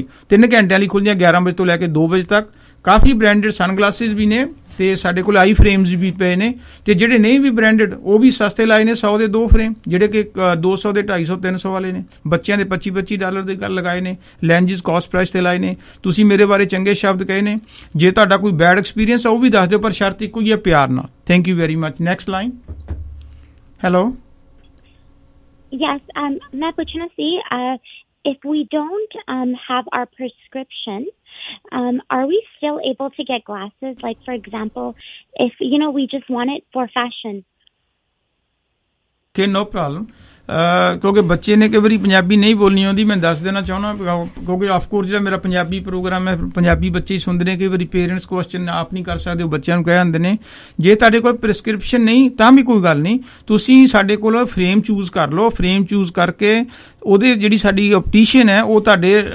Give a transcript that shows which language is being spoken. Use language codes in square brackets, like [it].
[pa] 3 ਘੰਟਿਆਂ ਲਈ ਖੁੱਲ੍ਹਦੇ ਹਾਂ 11 ਵਜੇ ਤੋਂ ਲੈ ਕੇ 2 ਵਜੇ ਤੱਕ ਕਾਫੀ ਬ੍ਰਾਂਡਡ ਸਨਗਲਾਸਿਸ ਵੀ ਨੇ ਅਤੇ ਸਾਡੇ ਕੋਲ ਆਈ ਫਰੇਮਸ ਵੀ ਪਏ ਨੇ ਅਤੇ ਜਿਹੜੇ ਨਹੀਂ ਵੀ ਬ੍ਰਾਂਡਡ ਉਹ ਵੀ ਸਸਤੇ ਲਾਏ ਨੇ 100 ਦੇ 2 ਫਰੇਮ ਜਿਹੜੇ ਕਿ 200 ਦੇ 250 300 ਵਾਲੇ ਨੇ ਬੱਚਿਆਂ ਦੇ $25 ਦੇ ਗੱਲ ਲਗਾਏ ਨੇ ਲੈਂਜਿਸ ਕੋਸਟ ਪ੍ਰਾਈਸ 'ਤੇ ਲਾਏ ਨੇ ਤੁਸੀਂ ਮੇਰੇ ਬਾਰੇ ਚੰਗੇ ਸ਼ਬਦ ਕਹੇ ਨੇ ਜੇ ਤੁਹਾਡਾ ਕੋਈ ਬੈਡ ਐਕਸਪੀਰੀਅੰਸ ਉਹ ਵੀ ਦੱਸ ਦਿਓ ਪਰ ਸ਼ਰਤ ਇੱਕੋ ਹੀ ਹੈ ਪਿਆਰ ਨਾਲ [en] thank you very much next line hello yes [pa] ਮੈਂ ਪੁੱਛਣਾ ਸੀ [en] If we don't have our prescription are we still able to get glasses, like for example, if you know we just want it for fashion? Okay, no problem. [pa] ਕਿਉਂਕਿ ਬੱਚੇ ਨੇ ਕਈ ਵਾਰੀ ਪੰਜਾਬੀ ਨਹੀਂ ਬੋਲਣੀ ਆਉਂਦੀ ਮੈਂ ਦੱਸ ਦੇਣਾ ਚਾਹੁੰਦਾ ਕਿਉਂਕਿ ਆਫਕੋਰਸ ਜਿਹੜਾ ਮੇਰਾ ਪੰਜਾਬੀ ਪ੍ਰੋਗਰਾਮ ਹੈ ਪੰਜਾਬੀ ਬੱਚੇ ਹੀ ਸੁਣਦੇ ਨੇ ਕਈ ਵਾਰੀ ਪੇਰੈਂਟਸ ਕੁਐਸਚਨ ਆਪ ਨਹੀਂ ਕਰ ਸਕਦੇ ਉਹ ਬੱਚਿਆਂ ਨੂੰ ਕਹਿ ਆਉਂਦੇ ਨੇ ਜੇ ਤੁਹਾਡੇ ਕੋਲ ਪ੍ਰਿਸਕ੍ਰਿਪਸ਼ਨ ਨਹੀਂ ਤਾਂ ਵੀ ਕੋਈ ਗੱਲ ਨਹੀਂ ਤੁਸੀਂ ਸਾਡੇ ਕੋਲ ਫਰੇਮ ਚੂਜ਼ ਕਰ ਲਓ ਫਰੇਮ ਚੂਜ਼ ਕਰਕੇ ਉਹਦੇ ਜਿਹੜੀ ਸਾਡੀ ਆਪਟੀਸ਼ੀਅਨ ਹੈ ਉਹ ਤੁਹਾਡੇ